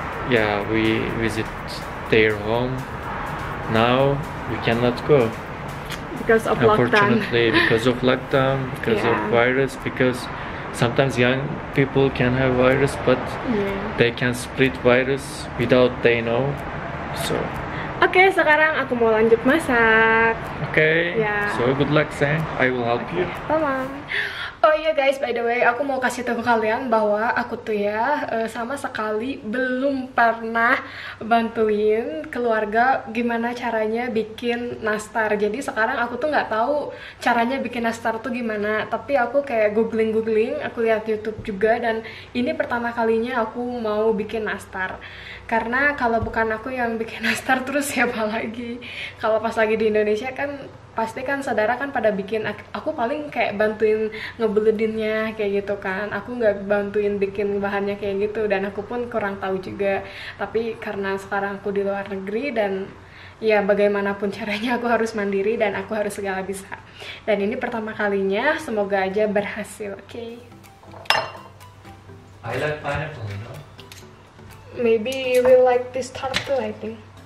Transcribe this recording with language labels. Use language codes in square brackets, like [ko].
[en] Yeah, we visit their home. Now we cannot go because of lockdown, because of virus, because sometimes young people can have virus, but they can spread virus without they know. So [id] okay, sekarang aku mau lanjut masak. [en] Okay. Yeah. So good luck, Sam. I will help you. [id] Oh iya guys, [en] by the way, [id] aku mau kasih tahu kalian bahwa aku tuh ya sama sekali belum pernah bantuin keluarga gimana caranya bikin nastar. Jadi sekarang aku tuh nggak tahu caranya bikin nastar tuh gimana. Tapi aku kayak googling, aku lihat YouTube juga, dan ini pertama kalinya aku mau bikin nastar. Karena kalau bukan aku yang bikin nastar, terus siapa lagi? Kalau pas lagi di Indonesia kan, pasti kan saudara kan pada bikin, aku paling kayak bantuin ngebeledinnya kayak gitu kan, aku nggak bantuin bikin bahannya kayak gitu, dan aku pun kurang tahu juga. Tapi karena sekarang aku di luar negeri, dan ya bagaimanapun caranya aku harus mandiri dan aku harus segala bisa, dan ini pertama kalinya, semoga aja berhasil. Oke, [en] okay. I like pineapple, you know. Maybe you will like this tart too, I think.